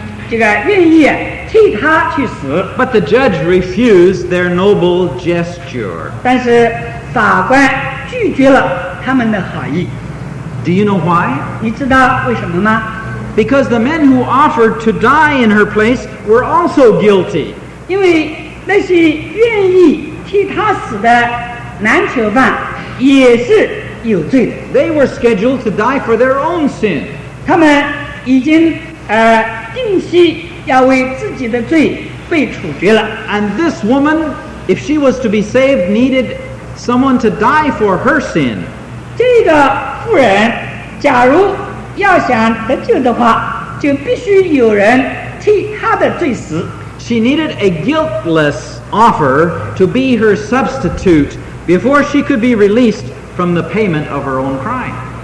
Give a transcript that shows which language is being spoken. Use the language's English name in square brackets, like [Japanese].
[Chinese] 因此有几位被判刑的难囚犯就愿意替他去死。 [English] But the judge refused their noble gesture. [Chinese] 但是法官拒绝了他们的好意。 [English] Do you know why? [Chinese] 你知道为什么吗? [English] Because the men who offered to die in her place were also guilty. [Chinese] 因为那些愿意替他死的男囚犯也是有罪的. [English] They were scheduled to die for their own sin. [Chinese] 他们已经定期要为自己的罪被处决了. [English] And this woman, if she was to be saved, needed someone to die for her sin. [Chinese] 这个妇人 假如要想得救的话，就必须有人替他的罪死。 [English] She needed a guiltless offer to be her substitute before she could be released from the payment of her own crime.